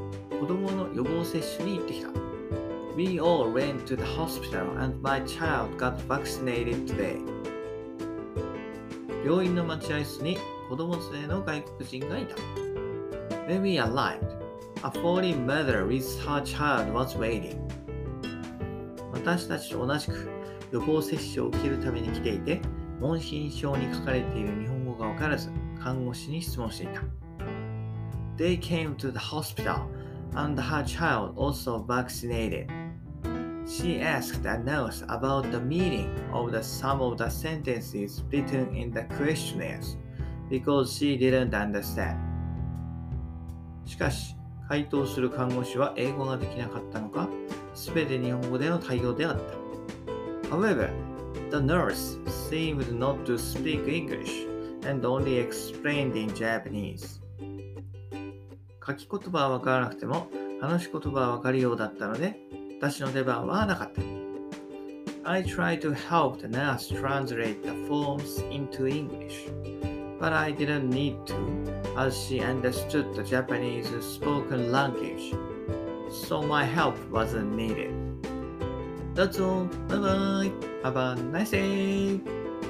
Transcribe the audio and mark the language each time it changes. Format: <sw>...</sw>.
<ja>子供の予防接種に行ってきた。</ja> <en>We all went to the hospital and my child got vaccinated today.</en> <ja>病院の待合室に子供連れの外国人がいた。</ja> <en>When we arrived, a foreign mother with her child was waiting.</en> <ja>私たちと同じく予防接種を受けるために来ていて、問診票に書かれている日本語が分からず、看護師に質問していた。</ja> <en>They came to the hospital, and her child also vaccinated. She asked a nurse about the meaning of some of the sentences written in the questionnaires, because she didn't understand.</en> <ja>しかし、回答する看護師は英語ができなかったのか、すべて日本語での対応であった。</ja> <en>However, the nurse seemed not to speak English and only explained in Japanese.</en> <ja>書き言葉は分からなくても、話し言葉は分かるようだったので、私の出番はなかった。</ja> <en>I tried to help the nurse translate the forms into English, but I didn't need to, as she understood the Japanese spoken language, so my help wasn't needed. That's all. Bye-bye. Have a nice day.</en>